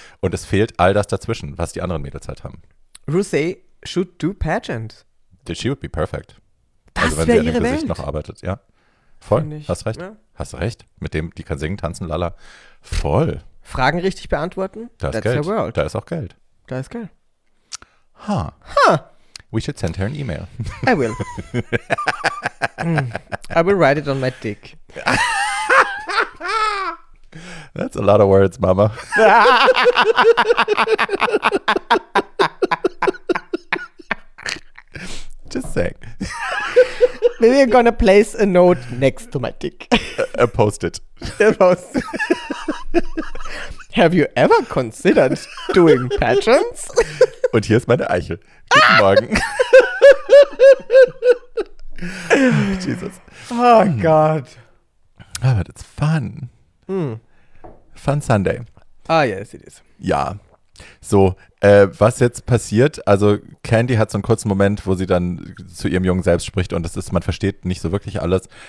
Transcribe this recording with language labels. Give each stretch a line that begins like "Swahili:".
German: Und es fehlt all das dazwischen, was die anderen Mädels halt haben.
English: Rosé should do pageant. She would be perfect.
German: Das also, wenn sie an ihrem Gesicht noch arbeitet. Ja, voll. Hast recht. Ja. Hast recht. Mit dem, die kann singen, tanzen, lala. Voll. Fragen richtig beantworten? Da ist Geld. Da ist auch Geld. Da ist Geld. Ha. Huh.
English: We should send her an email. I will. I will write it on my dick. That's a lot of words, Mama. Just saying. Maybe I'm gonna place a note next to my dick. A post-it. A post-it. Have you ever considered doing pageants?
German: Und hier ist meine Eichel. Guten Morgen.
English: Jesus.
German: Oh Gott.
English: Oh, but it's fun. Mm. Fun Sunday. Ah, yes, it is.
German: Ja. So, was jetzt passiert, also Candy hat so einen kurzen Moment, wo sie dann zu ihrem Jungen selbst spricht und das ist, man versteht nicht so wirklich alles.